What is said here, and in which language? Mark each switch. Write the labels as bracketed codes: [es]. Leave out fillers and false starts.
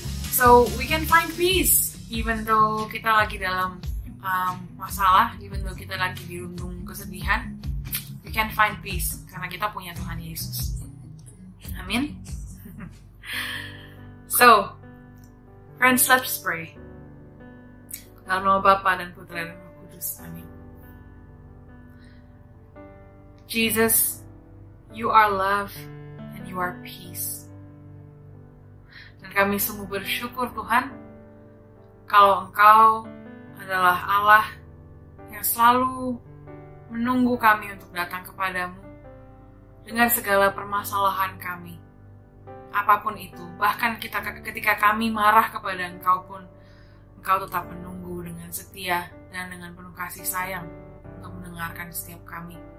[en] So we can find peace even though [id] kita lagi dalam masalah, [en] even though [id] kita lagi dirundung kesedihan, [en] we can find peace [id] karena kita punya Tuhan Yesus. [en] Amin. So, friends, let's pray. [id] Dalam nama Bapa dan Putra dan Roh Kudus, amin. [en] Jesus, you are love and you are peace. [id] Dan kami semua bersyukur Tuhan, kalau Engkau adalah Allah yang selalu menunggu kami untuk datang kepadamu dengan segala permasalahan kami. Apapun itu, bahkan kita ketika kami marah kepada Engkau pun, Engkau tetap menunggu dengan setia dan dengan penuh kasih sayang untuk mendengarkan setiap kami.